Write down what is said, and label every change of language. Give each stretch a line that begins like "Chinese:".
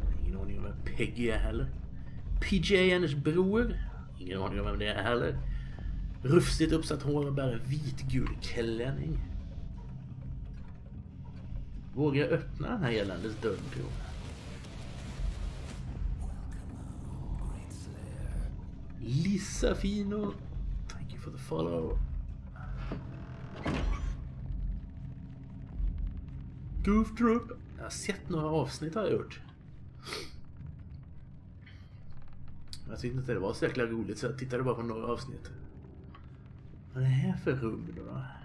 Swedish: Ingen aning om vem Peggy är heller. PJ är hennes bror. Ingen aning om vem det är heller. Rufsigt uppsatt hår och bär en vit-gul klänning. Vågar jag öppna den här eländes dörren, tror jag.
English: Lisa Fino, thank you for the follow.
Swedish: Goof Troop, jag har sett några avsnitt har jag gjort. Jag tyckte inte det var så jäkla roligt så jag tittade bara på några avsnitt. Vad är det här för rum då?